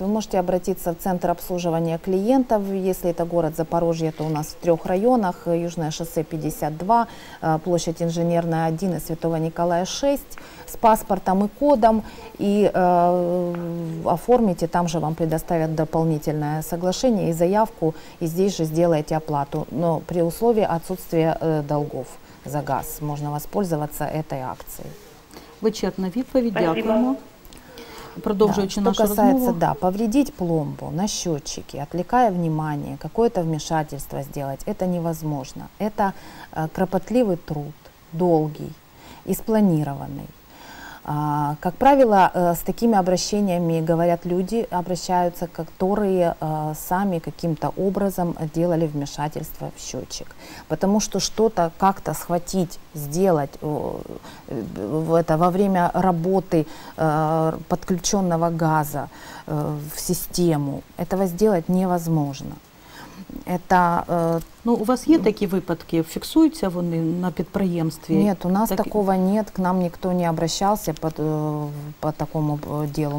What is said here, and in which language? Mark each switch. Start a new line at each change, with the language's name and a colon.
Russian: Вы можете обратиться в центр обслуживания клиентов, если это город Запорожье, то у нас в трех районах: Южное шоссе 52, площадь Инженерная 1 и Святого Николая 6, с паспортом и кодом, и оформите, там же вам предоставят дополнительное соглашение и заявку, и здесь же сделаете оплату, но при условии отсутствия долгов.
Ukrainian: За газ можна воспользуватися цією акцією. Вичерпна відповідь, дякуємо. Продовжуючи
Russian: да,
Ukrainian: нашу
Russian: что касается,
Ukrainian: розмову.
Russian: Да, повредить пломбу на счетчике, отвлекая внимание, какое-то вмешательство сделать, это невозможно. Это кропотливый труд, долгий и спланированный. Как правило, с такими обращениями говорят люди, обращаются, которые сами каким-то образом делали вмешательство в счетчик. Потому что что-то как-то схватить, сделать это во время работы подключенного газа в систему, этого сделать невозможно. Это,
Ukrainian: ну, у вас є такі випадки? Фіксуються вони на підприємстві? Ні, у нас так...
Russian: такого нет.
Ukrainian: К нам ніхто не обращався
Russian: по такому делу.